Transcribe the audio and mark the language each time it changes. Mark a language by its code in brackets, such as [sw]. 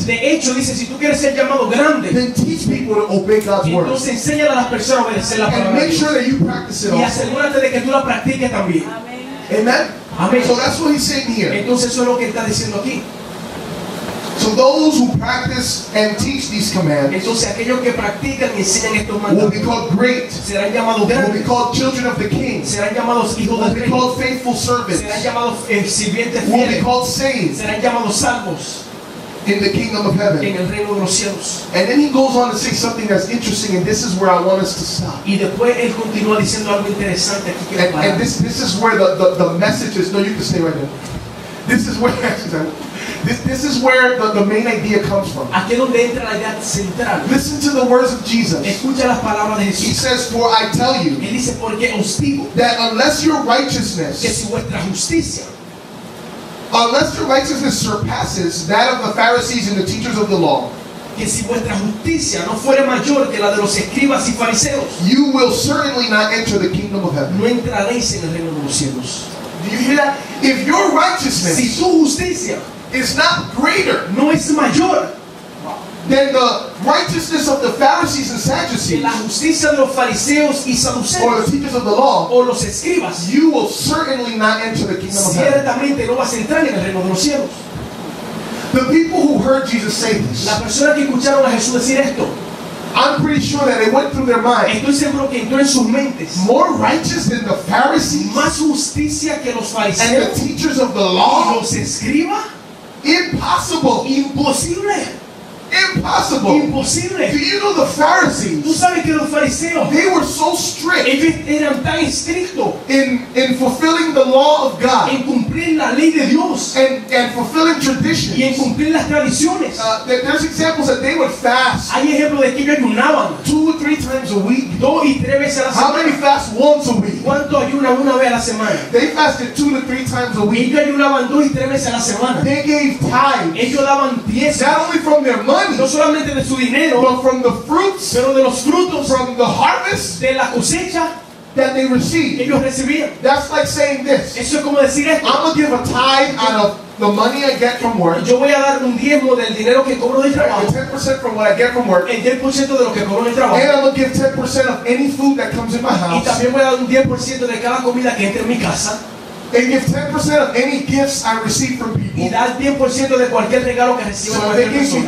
[es] de hecho, dice, si tú quieres ser llamado grande, [en] then teach people to obey God's word. [es] Entonces enséñale a las personas a obedecer la palabra. [en] And make sure that you practice it [es] also. Y asegúrate de que tú la practiques también. Amén. [en] Amen. Amen. So that's what he's saying here. [es] Entonces eso es lo que está diciendo aquí. [en] So those who practice and teach these commands, [es] entonces aquellos que practican y enseñan estos mandamientos, [en] will be called great. [es] Serán llamados grandes. [en] Will be called children of the king. [es] Serán llamados hijos [en] will [es] del rey. [en] Will be called faithful servants. [es] Serán llamados sirvientes fieles. [en] Will be called saints. [es] Serán llamados salvos. [en] In the kingdom of heaven. [es] En el reino de los cielos. [en] And then he goes on to say something that's interesting, and this is where I want us to stop. [es] Y después él continúa diciendo algo interesante aquí que [en] and this is where the message is. No, you can stay right there. This is where this is where the main idea comes from. [es] Aquí donde entra la idea central. [en] Listen to the words of Jesus. [es] Escucha las palabras de Jesús. [en] He says, "For I tell you," [es] él dice, "porque os digo," [en] that unless your righteousness, [es] que si vuestra justicia, [en] unless your righteousness surpasses that of the Pharisees and the teachers of the law, [es] que si vuestra justicia no fuere mayor que la de los escribas y fariseos, [en] you will certainly not enter the kingdom of heaven. [es] No entraréis en el reino de los cielos. [en] Do you hear that? If your righteousness, [es] si su justicia, [en] is not greater, [es] no es mayor, [en] than the righteousness of the Pharisees and Sadducees, [es] la justicia de los fariseos y saduceos, [en] or the teachers of the law, [es] o los escribas, [en] you will certainly not enter the kingdom of heaven. [es] Ciertamente no vas a entrar en el reino de los cielos. [en] The people who heard Jesus say this, [es] la persona que escucharon a Jesús decir esto, [en] I'm pretty sure that it went through their minds. [es] Estoy seguro que entró en sus mentes. [en] More righteous than the Pharisees, [es] más justicia que los fariseos, [en] and the teachers of the law, [es] y los escribas, [en] impossible, [es] imposible. [en] Impossible. [es] Imposible. [en] Do you know the Pharisees? [es] ¿Tú sabes que los fariseos, [en] they were so strict. [es] Ellos eran tan estrictos [en] in fulfilling the law of God. [es] En cumplir la ley de Dios. [en] And fulfilling traditions. [es] Y en cumplir las tradiciones. [en] There's examples that they would fast. [es] Hay ejemplos de que ellos ayunaban. [en] Two or three times a week. [es] Dos y tres veces a la semana. [en] How many fast once a week? [es] ¿Cuánto ayunan una vez a la semana? [en] They fasted two to three times a week. [es] Ellos ayunaban dos y tres veces a la semana. [en] They gave tithes. [es] Ellos daban diez. [en] Not only from their money. [es] No solamente de su dinero, [en] but from the fruits, [es] pero de los frutos, [en] from the harvest, [es] de la cosecha, [en] that they received, [es] ellos recibían. [en] That's like saying this. [es] Eso es como decir esto. [en] I'm gonna give a tithe out of the money I get from work. [es] Yo voy a dar un diezmo del dinero que cobro de trabajo. [en] 10% from what I get from work. [es] El 10% de lo que cobro de trabajo. [en] And I'm gonna give 10% of any food that comes in my house. [es] Y también voy a dar un 10% de cada comida que entre en mi casa. [en] And give 10% of any gifts I receive from people. [es] Y dar 10% de cualquier regalo que recibo de cualquier persona.